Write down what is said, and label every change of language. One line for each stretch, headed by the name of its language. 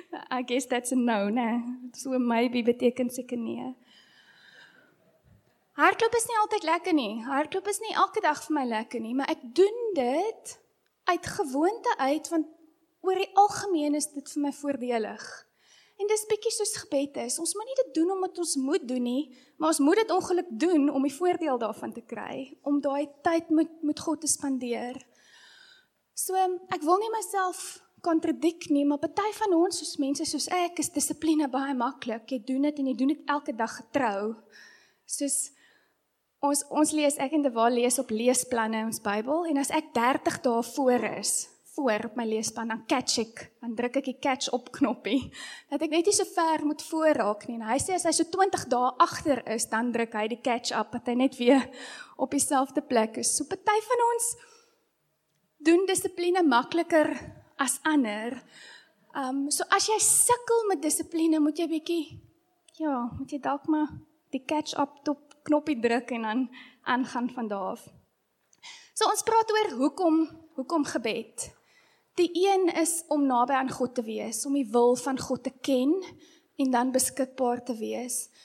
English: I guess that's a no, né? So maybe
Afrikaans: beteken seker nee. Hardloop is nie altyd lekker nie. Hardloop is nie elke dag vir my lekker nie, maar ek doen dit uit gewoonte uit, want oor die algemeen is dit vir my voordelig. En dis bietjie soos gebed is. Ons moet nie dit doen omdat ons moet doen nie, maar ons moet dit ongeluk doen om die voordeel daarvan te kry, om daai tyd met God te spandeer. So ek wil nie myself contradik nie, maar party van ons, soos mense soos ek, is dissipline baie maklik. Jy doen dit en jy doen dit elke dag getrou. Soos ons lees, ek en De Waal lees op leesplanne ons Bybel, en as ek 30 dae voor is, voor op my leesplan, dan catch ek, dan druk ek die catch op knoppie, dat ek net nie so ver moet voorraak nie. En hy sê, as hy so 20 dae agter is, dan druk hy die catch up, dat hy net weer op dieselfde plek is. So party van ons doen dissipline makliker as ander. So as jy sukkel met dissipline, moet jy bietjie, ja, moet jy dalk maar die catch-up top knoppie druk en dan aangaan van daar af. So ons praat oor hoekom gebed. Die een is om naby aan God te wees, om die wil van God te ken en dan beskikbaar te wees.